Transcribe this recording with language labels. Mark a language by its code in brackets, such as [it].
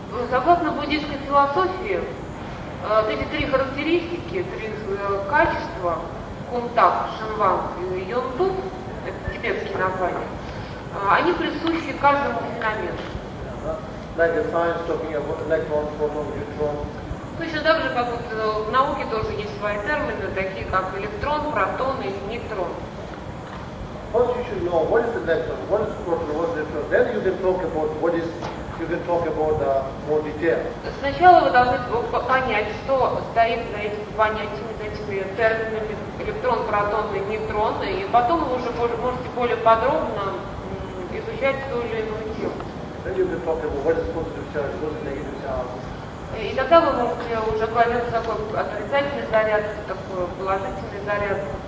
[ru] Согласно буддийской философии, эти три характеристики, три качества, кунтак, шаван и юнду, это тибетские названия, они присущи каждому феномену. [en] Like the science talking about electron, photon, neutron. [ru] Точно так же, как вот в науке тоже есть свои термины, такие как электрон, протон и нейтрон. [en] First you should know what is electron, what is proton, what is neutron. Then you you can talk about the more detail. [ru] Сначала вы должны понять, что стоит за этими понятиями, за этими терминами электрон, протон и нейтрон, и потом вы уже можете более подробно изучать ту или иную тему. [en] Then you can talk about what is positive charge, what is negative charge. [ru] И тогда вы можете уже говорить такой отрицательный заряд, такой положительный заряд.